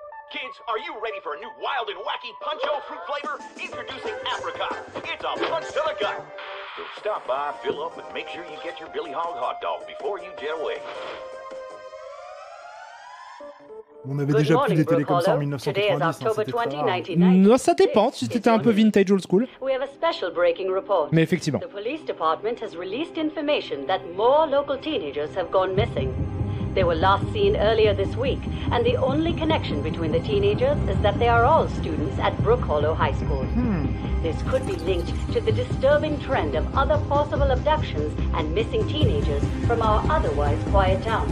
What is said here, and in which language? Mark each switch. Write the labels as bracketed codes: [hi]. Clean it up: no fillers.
[en] Kids, are you ready for a new wild and wacky puncho fruit flavor? Introducing apricot. It's a punch to the gut. So stop by, fill up, and make sure you get your Billy Hog hot dog before you jet away. [fr] On avait déjà plus des télés comme ça en 1990, ça dépend, si c'était un peu vintage old school. [en] We have a special breaking report. [fr] Mais effectivement. [en] The police department has released information that more local teenagers have gone missing. They were last seen earlier this week, and the only connection between the teenagers is that they are all students at Brook Hollow High School. This could be linked to the disturbing trend of other possible abductions and missing teenagers from our otherwise quiet town.